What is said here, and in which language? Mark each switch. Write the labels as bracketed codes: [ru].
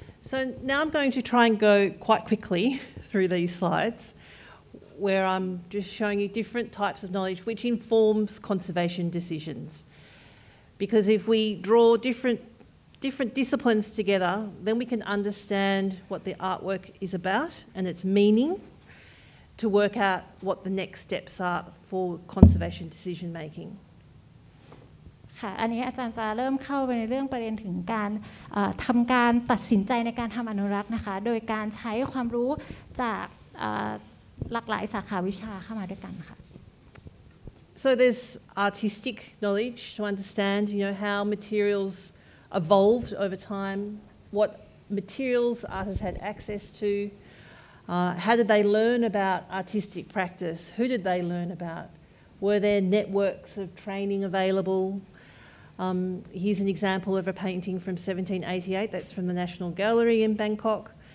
[en] So now I'm going to try and go quite quicklyThrough these slides, where I'm just showing you different types of knowledge which informs conservation decisions. Because if we draw different disciplines together, then we can understand what the artwork is about and its meaning to work out what the next steps are for conservation decision making. [th] ค่ะอันนี้อาจารย์จะเริ่มเข้าไปในเรื่องประเด็นถึงการทำการตัดสินใจในการทำอนุรักษ์นะคะโดยการใช้ความรู้จากหลากหลายสาขาวิชาเข้ามาด้วยกันค่ะ [en] So there's artistic knowledge to understand you know how materials evolved over time what materials artists had access to how did they learn about artistic practice who did they learn about were there networks of training availableHere's an example of a painting from 1788 that's from the National Gallery in Bangkok.